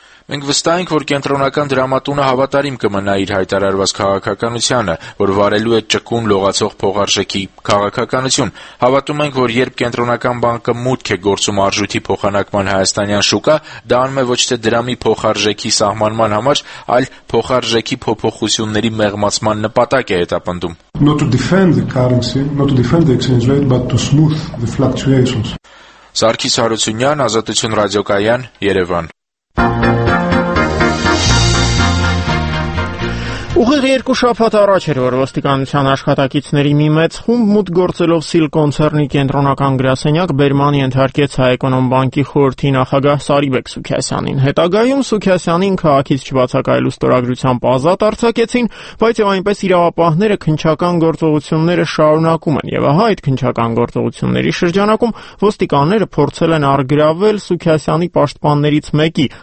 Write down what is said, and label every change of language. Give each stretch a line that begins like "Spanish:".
Armenian: Մենք վստահ ենք, որ կենտրոնական դրամատունը հավատարիմ կմնա իր հայտարարված քաղաքականությանը, որ վարելու է ճկուն լողացող փոխարժեքի քաղաքականություն։ Հավատում ենք, որ երբ կենտրոնական բանկը մուտք է գործում արժույթի փոխանակման հայաստանյան շուկա, դա անում է ոչ թե դրամի փոխարժեքի սահմանման համար, այլ փոխարժեքի փոփոխությունների մեղմացման նպատակ է հետապնդում։
English: Not to defend the currency, not to defend the exchange rate, but to smooth the fluctuations.
Armenian: Սարգիս Հարությունյան, Ազատություն ռադիոկայան, Երևան։ Ուղիղ երկու շաբաթ առաջ էր, որ ոստիկանության աշխատակիցների մի մեծ խումբ մուտ գործելով Սիլ կոնցերնի կենտրոնական գրասենյակ բերմանի ենթարկեց Հայեկոնոմբանկի խորհրդի նախագահ Սարիբեկ Սուքիասյանին։ Հետագայում Սուքիասյանին քաղաքից չբացակայելու ստորագրությամբ ազատ արձակեցին, բայց եւ այնպես իրավապահները քնչական գործողությունները շարունակում են, եւ ահա այդ քնչական գործողությունների շրջանակում ոստիկանները փորձել են արգրավել Սուքիասյանի պաշտպաններից մեկի